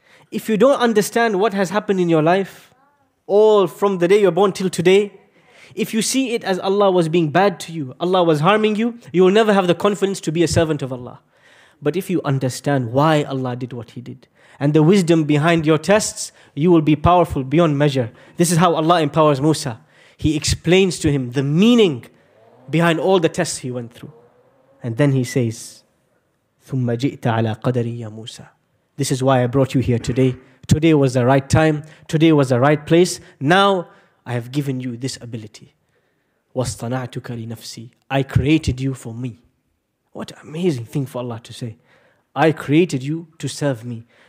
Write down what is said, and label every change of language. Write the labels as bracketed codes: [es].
[en] If you don't understand what has happened in your life, all from the day you're born till today, if you see it as Allah was being bad to you, Allah was harming you, you will never have the confidence to be a servant of Allah. But if you understand why Allah did what he did, and the wisdom behind your tests, you will be powerful beyond measure. This is how Allah empowers Musa. He explains to him the meaning behind all the tests he went through. And then he says, [ar] ثُمَّ جِئْتَ عَلَىٰ قَدَرِي يَا مُوسَى. [en] This is why I brought you here today. Today was the right time. Today was the right place. Now I have given you this ability. [ar] وَاصْطَنَعْتُكَ لِنَفْسِي. [en] I created you for me. What an amazing thing for Allah to say. I created you to serve me.